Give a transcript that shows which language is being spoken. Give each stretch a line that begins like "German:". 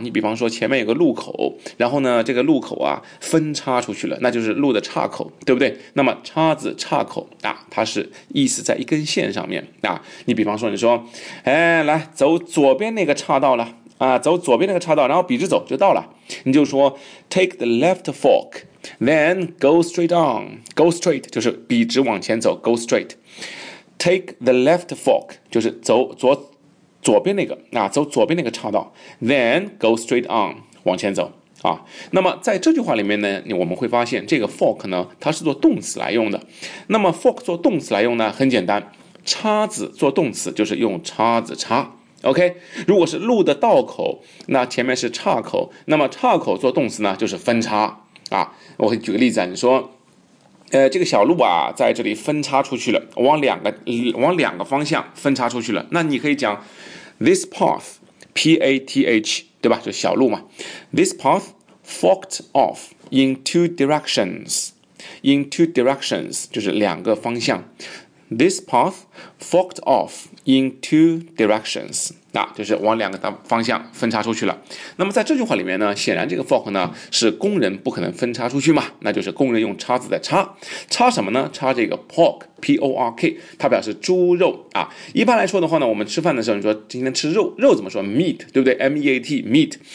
Chinese: 你比方说前面有个路口，然后呢这个路口啊分叉出去了，那就是路的岔口，对不对？那么叉子岔口啊。它是意思在一根线上面啊，你比方说你说，哎，来走左边那个岔道了啊，走左边那个岔道，然后笔直走就到了。你就说
English: take the left fork, then go straight on. Go straight
Chinese: 就是笔直往前走 ，
English: go straight. Take the left fork
Chinese: 就是走左边那个啊，走左边那个岔道 ，
English: then go straight on
Chinese: 往前走。啊，那么在这句话里面呢，我们会发现这个 fork 呢，它是做动词来用的。那么 fork 做动词来用呢，很简单，叉子做动词就是用叉子叉。 OK， 如果是路的道口，那前面是岔口，那么岔口做动词呢，就是分叉啊。我会举个例子啊，你说，这个小路啊，在这里分叉出去了，往两个方向分叉出去了，那你可以讲
English: this path。
Chinese: P-A-T-H, 对吧，就小路嘛。
English: This path forked off in two directions. In two directions,
Chinese: 就是两个方向。
English: This path forked off in two directions.
Chinese: 那就是往两个方向分叉出去了。那么在这句话里面呢，显然这个 fork 呢是工人不可能分叉出去嘛。那就是工人用叉子在叉。叉什么呢？叉这个 pork, P-O-R-K, 它表示猪肉啊。一般来说的话呢，我们吃饭的时候你说今天吃肉，肉怎么说 ?meat, 对不对 ?M-E-A-T, meat。